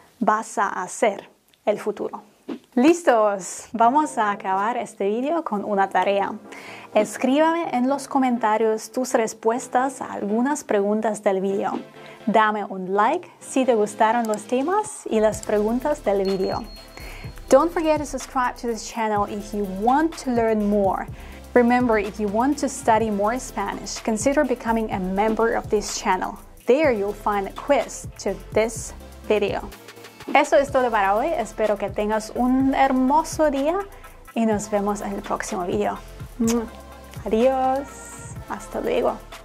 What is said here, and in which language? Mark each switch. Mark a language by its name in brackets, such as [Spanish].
[Spanish] Vas a hacer el futuro. ¡Listos! Vamos a acabar este video con una tarea. Escríbame en los comentarios tus respuestas a algunas preguntas del video. Dame un like si te gustaron los temas y las preguntas del video. [English] Don't forget to subscribe to this channel if you want to learn more. Remember, if you want to study more Spanish, consider becoming a member of this channel. There you'll find a quiz to this video. [Spanish] Eso es todo para hoy. Espero que tengas un hermoso día y nos vemos en el próximo video. Adiós. Hasta luego.